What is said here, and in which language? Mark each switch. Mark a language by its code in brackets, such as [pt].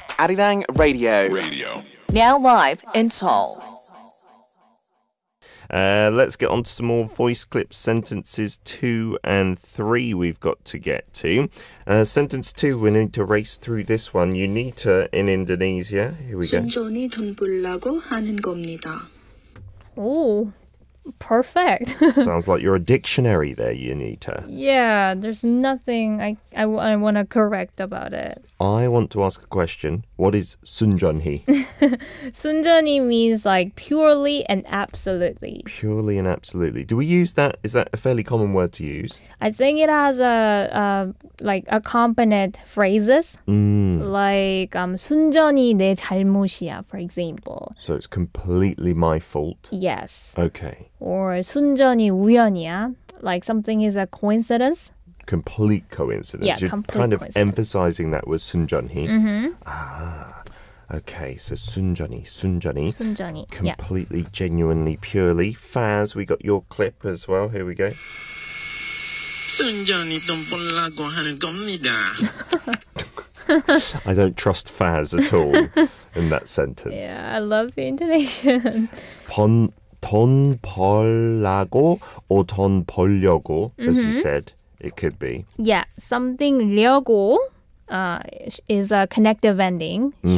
[en] Arirang Radio. Radio. Now live in Seoul. Let's get on to some more voice clips, sentences 2 and 3 we've got to get to. Sentence 2, we need to race through this one. Yunita in Indonesia. Here we go. [ko] 순전히 돈 벌려고 하는 겁니다. [en] Ooh. Perfect. Sounds like you're a dictionary there, Yunita. Yeah, there's nothing I want to correct about it. I want to ask a question. What is 순전히? 순전히 means like purely and absolutely. Purely and absolutely. Do we use that? Is that a fairly common word to use? I think it has a accompanied phrases. Mm. Like [ko] 순전히 내 잘못이야, [en] for example. So it's completely my fault? Yes. Okay. Or [ko] 순전히 우연이야, [en] like something is a coincidence. Complete coincidence. Yeah, you're kind of emphasizing that with 순전히. Mm-hmm. Okay, so 순전히. 순전히, completely, yeah. Genuinely, purely. Faz, we got your clip as well. Here we go. [ko] 순전히 돈 벌라고 하는 겁니다. [en] I don't trust Faz at all in that sentence. Yeah, I love the intonation. 돈 벌라고 or 돈 벌려고, mm-hmm. as you said. It could be. Yeah, something 려고 is a connective ending, mm-hmm.